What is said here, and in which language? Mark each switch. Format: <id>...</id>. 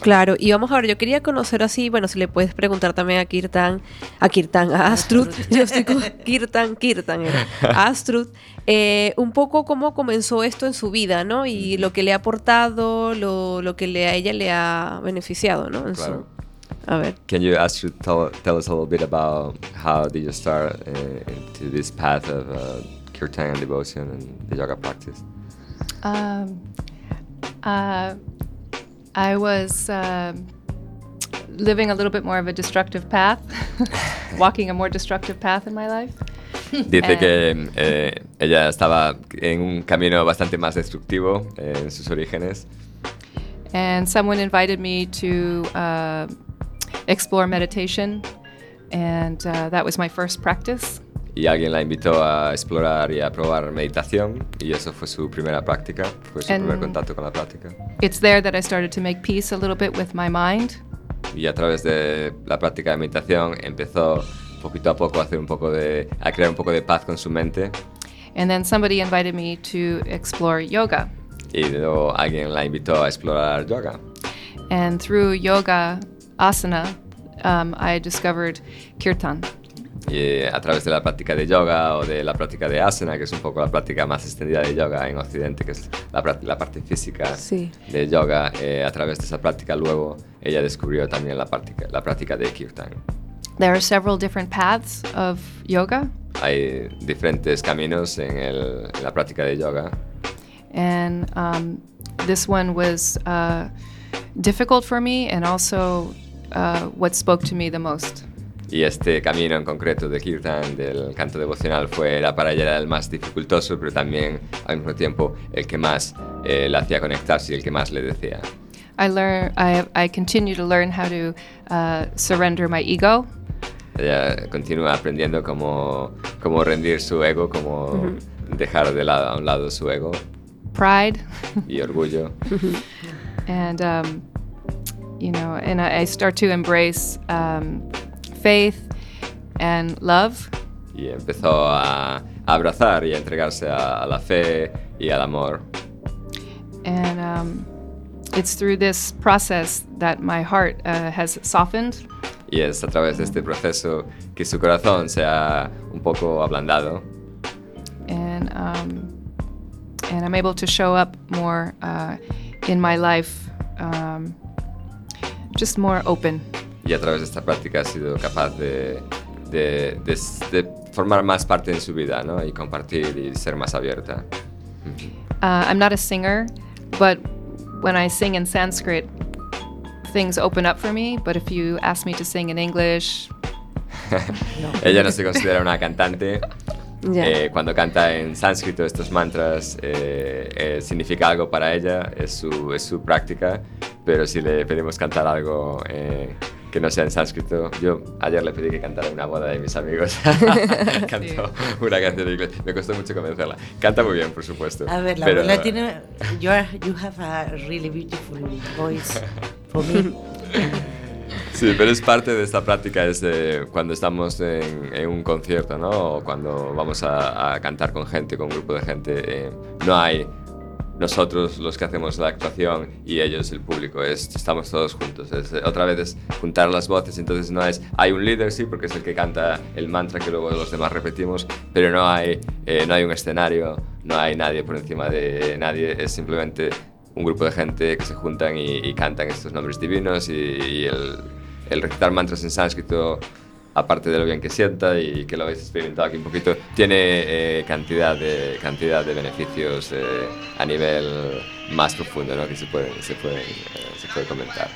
<es>Claro, y vamos a ver, yo quería conocer así, bueno, si le puedes preguntar también a Kirtan, a Astrud, yo estoy con Kirtan, Astrud, un poco cómo comenzó esto en su vida, ¿no? Y uh-huh. lo que le ha aportado, lo que a ella le ha beneficiado, ¿no? Claro. A ver.</es> <en>Can you, Astrud, tell us a little bit about how did you start into this path of Kirtan and devotion and the yoga practice? I was living a little bit more of a destructive path, walking a more destructive path in my life.</en> <es>Dice que ella estaba en un camino bastante más destructivo en sus orígenes.</es> <en>And someone invited me to explore meditation, and that was my first practice.</en> <es>Y alguien la invitó a explorar y a probar meditación, y eso fue su primera práctica, fue su primer contacto con la práctica.</es> <en>It's there that I started to make peace a little bit with my mind.</en> <es>Y a través de la práctica de meditación empezó poquito a poco a crear un poco de paz con su mente.</es> <en>And then somebody invited me to explore yoga.</en> <es>Y luego alguien la invitó a explorar yoga.</es> <en>And through yoga asana, I discovered kirtan.</en> <es>Y a través de la práctica de yoga o de la práctica de asana, que es un poco la práctica más extendida de yoga en Occidente, que es la parte física sí. de yoga, a través de esa práctica luego ella descubrió también la práctica de kirtan.</es> <en>There are several different paths of yoga.</en> <es>Hay diferentes caminos en la práctica de yoga.</es> <en>And this one was difficult for me, and also what spoke to me the most.</en> <es>Y este camino en concreto de kirtan, del canto devocional, era para ella el más dificultoso, pero también al mismo tiempo el que más la hacía conectarse y el que más le decía.</es> <en>I continue to learn how to surrender my ego.</en> <es>Ella continúa aprendiendo cómo rendir su ego, cómo mm-hmm. dejar de lado a un lado su ego.</es> <en>Pride.</en> <es>Y orgullo.</es> <en>And you know, and I start to embrace faith and love.</en> <es>Y empezó a abrazar y a entregarse a la fe y al amor.</es> <en>And it's through this process that my heart has softened.</en> <es>Y es a través de este proceso que su corazón se ha un poco ablandado.</es> <en>And I'm able to show up more in my life, just more open.</en> <es>Y a través de esta práctica ha sido capaz de formar más parte en su vida, ¿no? Y compartir y ser más abierta.</es> <en>I'm not a singer, but when I sing in Sanskrit, things open up for me. But if you ask me to sing in English,</en> <es>ella no se considera una cantante.</es> <en>Yeah.</en> <es>Cuando canta en sánscrito estos mantras, significa algo para ella, es su práctica. Pero si le pedimos cantar algo que no sea en sánscrito, yo ayer le pedí que cantara una boda de mis amigos. Cantó sí. una canción en inglés. Me costó mucho convencerla. Canta muy bien, por supuesto. A ver, la tiene.</es> <en>You have a really beautiful voice for me.</en> <es>Sí, pero es parte de esta práctica, es cuando estamos en un concierto, ¿no? O cuando vamos a cantar con gente, con un grupo de gente, no hay nosotros los que hacemos la actuación y ellos el público, estamos todos juntos. Otra vez es juntar las voces, entonces no es, hay un líder, sí, porque es el que canta el mantra que luego los demás repetimos, pero no hay un escenario, no hay nadie por encima de nadie, es simplemente un grupo de gente que se juntan y cantan estos nombres divinos y el recitar mantras en sánscrito, aparte de lo bien que sienta y que lo habéis experimentado aquí un poquito, tiene cantidad de beneficios a nivel más profundo, ¿no? Que se puede comentar.</es>